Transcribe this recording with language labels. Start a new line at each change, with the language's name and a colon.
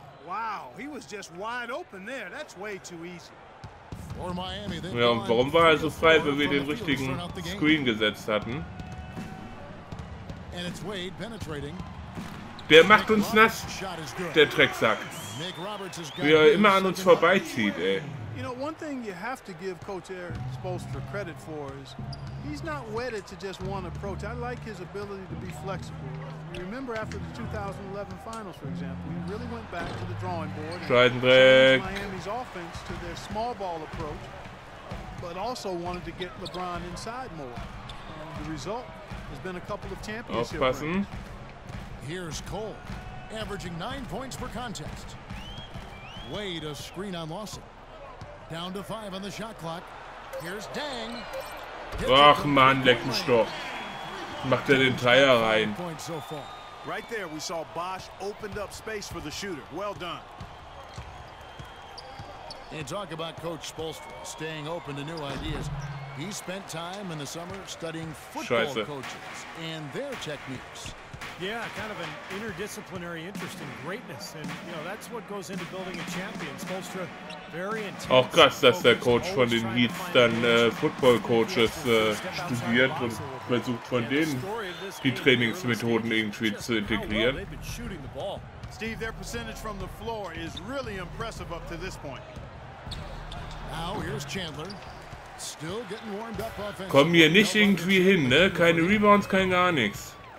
English: Wow, he was just wide open there. That's way too easy. For Miami, they
German: ja, und warum war er so frei, wenn wir den richtigen Screen gesetzt hatten?
English: And it's Wade penetrating.
German: Der macht uns nass, der Drecksack. Wie er immer an uns vorbeizieht, ey.
English: You know, one thing you have to give Coach Eric Spoelstra credit for is he's not wedded to just one approach. I like his ability to be flexible. You remember after the 2011 finals, for example, he really went back to the drawing board and changed Miami's offense to their small ball approach, but also wanted to get LeBron inside more. And the result has been a couple of championship rings. Here's Cole, averaging 9 points per contest. Wade a screen on Lawson. Down to 5 on the shot clock. Here's Dang.
German: Ach man, leck mich doch. Macht er den Dreier rein.
English: Right there, we saw Bosch opened up space for the shooter. Well done. And talk about Coach Spoelstra staying open to new ideas. He spent time in the summer studying football coaches and their techniques. Yeah, kind of an interdisciplinary interest in greatness. And, you know, that's what goes into building a champion. Spoelstra, very intense.
German: Auch krass, dass der Coach von den Heats dann Football-Coaches studiert und versucht, von denen die Trainingsmethoden irgendwie zu integrieren.
English: Steve, their percentage from the floor is really impressive up to this point. Now, here's Chandler. Still getting warmed up offensively.
German: Komm hier nicht irgendwie hin, ne? Keine Rebounds, kein gar nichts.